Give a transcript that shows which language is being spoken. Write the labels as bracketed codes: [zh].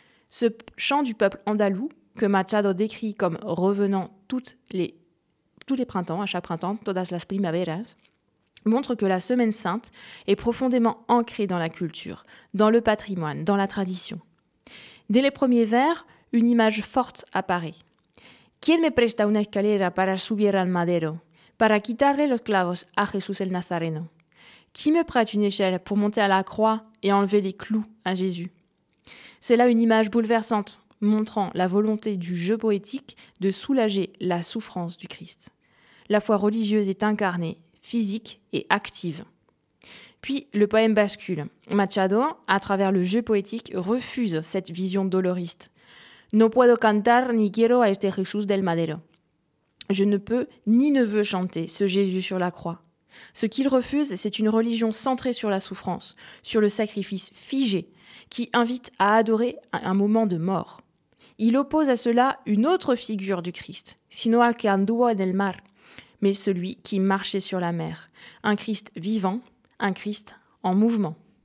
[fr] Ce chant du peuple andalou, que Machado décrit comme revenant tous les printemps, à chaque printemps, [es] todas las primaveras, [fr] montre que la Semaine Sainte est profondément ancrée dans la culture, dans le patrimoine, dans la tradition. Dès les premiers vers, une image forte apparaît. [es] ¿Quién me presta una escalera para subir al madero, para quitarle los clavos a Jesús el Nazareno? [fr] Qui me prête une échelle pour monter à la croix et enlever les clous à Jésus? C'est là une image bouleversante, montrant la volonté du jeu poétique de soulager la souffrance du Christ. La foi religieuse est incarnée, physique et active. Puis le poème bascule. Machado, à travers le jeu poétique, refuse cette vision doloriste. [es] No puedo cantar ni quiero a este Jesús del Madero. [fr] Je ne peux ni ne veux chanter ce Jésus sur la croix. Ce qu'il refuse, c'est une religion centrée sur la souffrance, sur le sacrifice figé, qui invite à adorer un moment de mort. Il oppose à cela une autre figure du Christ, [es] sino al que anduvo en el mar, [fr] mais celui qui marchait sur la mer, un Christ vivant, un Christ en mouvement.